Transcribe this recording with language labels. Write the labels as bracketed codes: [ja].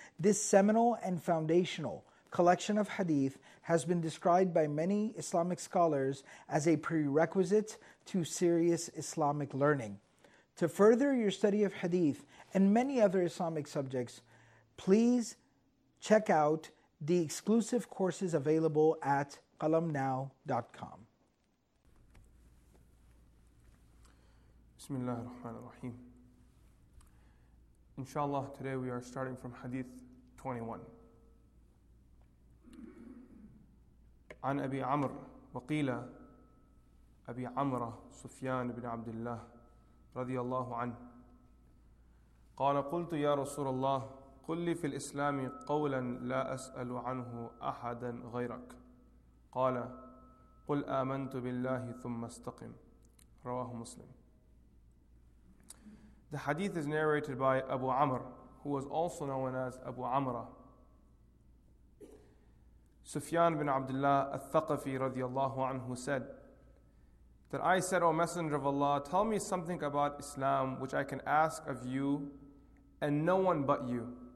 [en] This seminal and foundational collection of hadith has been described by many Islamic scholars as a prerequisite to serious Islamic learning. To further your study of hadith and many other Islamic subjects, please check out the exclusive courses available at qalamnow.com. [ar] بسم الله الرحمن الرحيم إن شاء الله [en] today we are starting from hadith 21 [ar] عن أبي عمر وقيل أبي عمر سفيان بن عبد الله رضي الله عنه قال قلت يا رسول الله قل لي في الإسلام قولا لا أسأل عنه أحدا غيرك قال قل آمنت بالله ثم استقم رواه مسلم. [en] The hadith is narrated by Abu Amr, who was also known as Abu Amra. Sufyan bin Abdullah al-Thaqafi radiyallahu anhu said, that I said, O Messenger of Allah, tell me something about Islam which I can ask of you and no one but you.